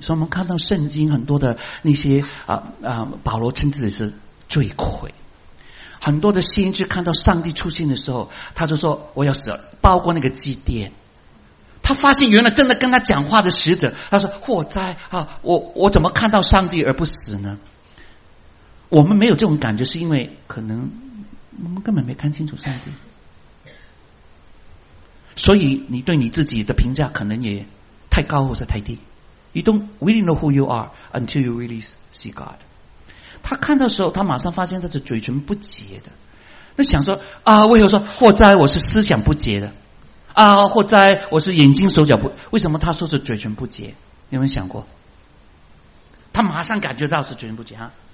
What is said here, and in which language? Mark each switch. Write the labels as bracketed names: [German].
[Chinese] 所以我们看到圣经很多的那些保罗称自己是罪魁，很多的先知看到上帝出现的时候，他就说我要死了，包括那个祭奠，他发现原来真的跟他讲话的使者，他说祸哉啊，我怎么看到上帝而不死呢？我们没有这种感觉，是因为可能我们根本没看清楚上帝，所以你对你自己的评价可能也太高或者太低。 [English] You don't really know who you are until you really see God。 [Chinese] 他看到的时候，他马上发现他是嘴唇不洁的，那想说啊，为何说祸哉我是思想不洁的啊，祸哉我是眼睛手脚不，为什么他说是嘴唇不洁？有没有想过他马上感觉到是嘴唇不洁啊？